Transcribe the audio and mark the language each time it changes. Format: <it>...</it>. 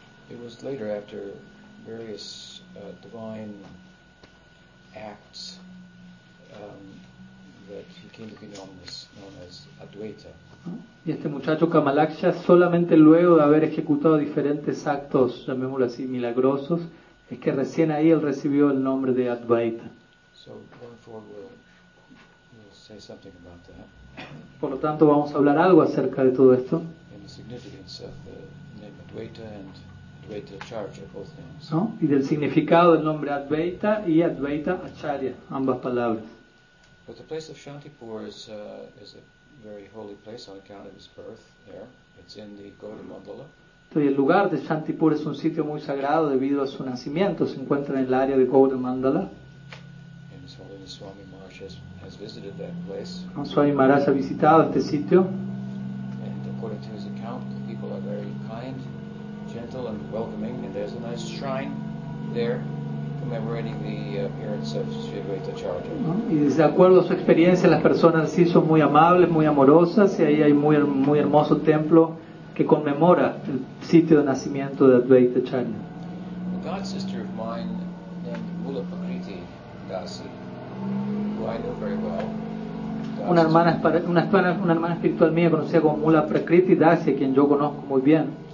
<en>It was later, after various divine acts, that he came to be known as Advaita.</en> <es>Y este muchacho Kamalaksha, solamente luego de haber ejecutado diferentes actos, llamémoslo así, milagrosos, es que recién ahí él recibió el nombre de Advaita.</es> <en>So going forward, we'll say something about that.</en> <es>Por lo tanto, vamos a hablar algo acerca de todo esto.</es> <en>And the significance of the name Advaita and Advaita Acharya, both names.</en> <es>¿No? Y del significado del nombre Advaita y Advaita Acharya, ambas palabras.</es> <en>But the place of Shantipur is a very holy place on account of his birth there. It's in the Gaudiya Mandala.</en> <es>Entonces, el lugar de Shantipur es un sitio muy sagrado debido a su nacimiento. Se encuentra en el área de Gaudiya Mandala.</es> <en>And His Holiness Swami Maharaj has visited that place.</en> <es>Swami Maharaj ha visitado este sitio.</es> <en>And according to his account, the people are very kind, gentle, and welcoming. And there's a nice shrine there, commemorating the appearance of Sri Advaita Acharya.</en> <es>Y de acuerdo a su experiencia, las personas sí son muy amables, muy amorosas, y ahí hay muy muy hermoso templo que conmemora el sitio de nacimiento de Advaita Acharya.</es> <en>A god sister of mine named Mula Prakriti Dasi, who I know very well.</en> <es>Una hermana espiritual mía conocida como Mula Prakriti Dasi, quien yo conozco muy bien.</es>